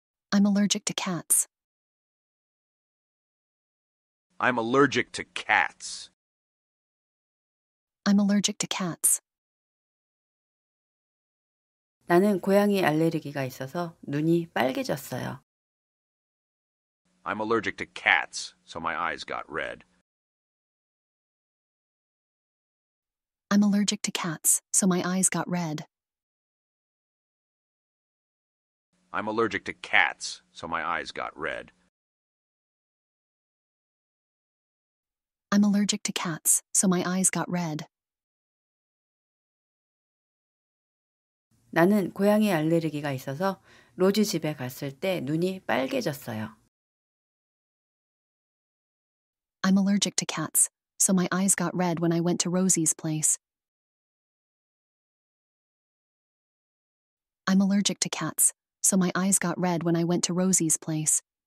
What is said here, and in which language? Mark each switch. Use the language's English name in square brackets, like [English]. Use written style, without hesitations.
[English] I'm allergic to cats. I'm allergic to cats. I'm allergic to cats. [Korean] 나는 고양이 알레르기가 있어서 눈이 빨개졌어요. [English] I'm allergic to cats, so my eyes got red. I'm allergic to cats, so my eyes got red. I'm allergic to cats, so my eyes got red. I'm allergic to cats, so my eyes got red. [Korean] 나는 고양이 알레르기가 있어서 로지 집에 갔을 때 눈이 빨개졌어요. [English] I'm allergic to cats, so my eyes got red when I went to Rosie's place. I'm allergic to cats, so my eyes got red when I went to Rosie's place.